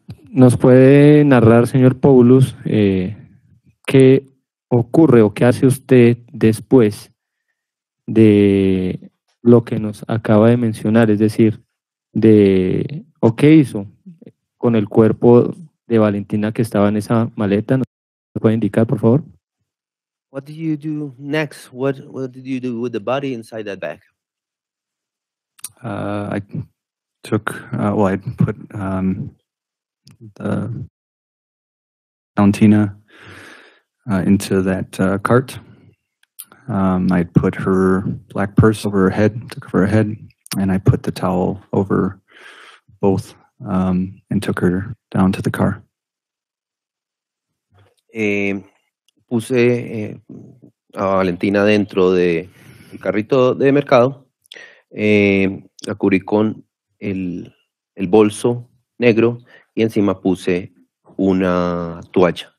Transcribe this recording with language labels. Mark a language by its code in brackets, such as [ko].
[es] ¿Nos puede narrar, señor Poulos, qué ocurre o qué hace usted después de lo que nos acaba de mencionar? Es decir, de... ¿O qué hizo con el cuerpo de Valentina que estaba en esa maleta? ¿Nos puede indicar, por favor? [en] What did you do next? What did you do with the body inside that bag? I put the Valentina into that cart. I put her black purse over her head, to cover her head, and I put the towel over both and took her down to the car. [es] Puse a Valentina dentro de el carrito de mercado. La cubrí con el bolso negro y encima puse una toalla.